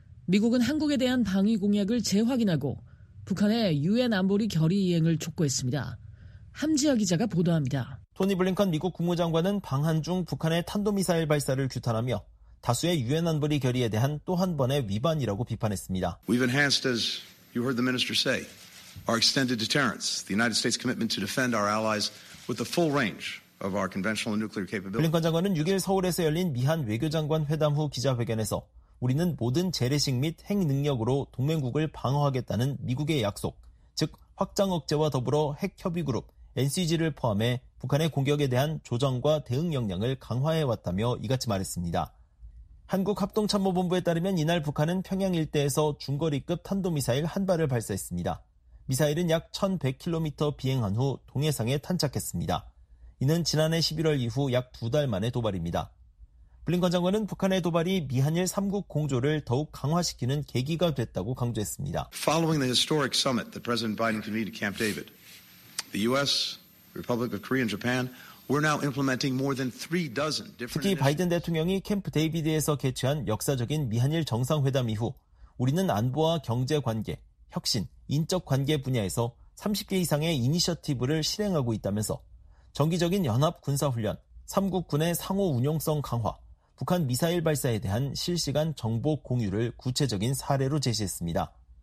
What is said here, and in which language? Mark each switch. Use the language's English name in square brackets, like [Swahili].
[Korean] 미국은 한국에 대한 방위 공약을 재확인하고 북한의 유엔 안보리 결의 이행을 촉구했습니다. 함지아 기자가 보도합니다. 토니 블링컨 미국 국무장관은 방한 중 북한의 탄도미사일 발사를 규탄하며 다수의 유엔 안보리 결의에 대한 또 한 번의 위반이라고 비판했습니다. [English] We've enhanced, as you heard the minister say, our extended deterrence, the United States commitment to defend our allies with the full range of our conventional nuclear capability. [Korean] 블링컨 장관은 6일 서울에서 열린 미한 외교장관 회담 후 기자회견에서 우리는 모든 재래식 및 핵 능력으로 동맹국을 방어하겠다는 미국의 약속, 즉 확장 억제와 더불어 핵 협의 그룹 NCG를 포함해 북한의 공격에 대한 조정과 대응 역량을 강화해 왔다며 이같이 말했습니다. 한국 합동참모본부에 따르면 이날 북한은 평양 일대에서 중거리급 탄도미사일 한 발을 발사했습니다. 미사일은 약 1,100km 비행한 후 동해상에 탄착했습니다. 이는 지난해 11월 이후 약 두 달 만에 도발입니다. 블링컨 장관은 북한의 도발이 미한일 3국 공조를 더욱 강화시키는 계기가 됐다고 강조했습니다. [English] Following the historic summit that President Biden convened at Camp David, the U.S., Republic of Korea and Japan, we're now implementing more than three dozen different. [Korean] 특히 바이든 대통령이 캠프 데이비드에서 개최한 역사적인 미한일 정상회담 이후 우리는 안보와 경제 관계, 혁신, 인적 관계 분야에서 30개 이상의 이니셔티브를 실행하고 있다면서 정기적인 연합 군사 훈련, 3국군의 상호 운용성 강화, 북한 미사일 발사에 대한 실시간 정보 공유를 구체적인 사례로 제시했습니다.